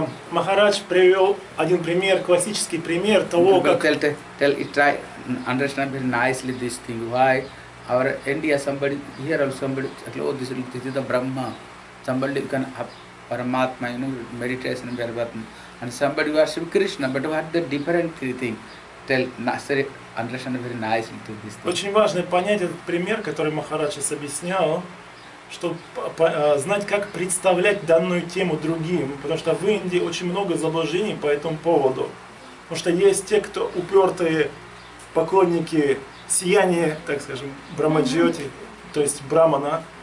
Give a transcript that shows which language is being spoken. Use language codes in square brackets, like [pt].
[ru] Maharaj привел один пример, классический пример того, как... [en] Tell, try, understand very nicely this thing. Why? Our India, somebody, here also somebody, oh, this is the Brahma. Somebody can have Paramatma, you know, meditation, Bhagavatam. And somebody worship Krishna, but what the different thing? Tell, understand very nicely to this thing. [ru] Очень важно понять этот пример, который Махарадж объяснял, чтобы знать, как представлять данную тему другим, потому что в Индии очень много заблуждений по этому поводу. Потому что есть те, кто упертые поклонники сияния, так скажем, Брахмаджьоти, то есть Брахмана.